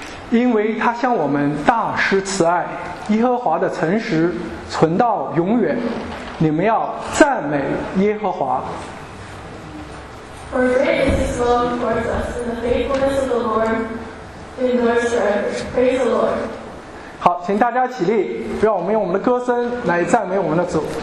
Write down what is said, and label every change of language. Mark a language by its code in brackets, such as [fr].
[zh] 因为他向我们大施慈爱，耶和华的诚实存到永远，你们要赞美耶和华。 [en] For great is his love towards us, and the faithfulness of the Lord endures forever. Praise the Lord. [zh] 好，请大家起立，让我们用我们的歌声来赞美我们的主。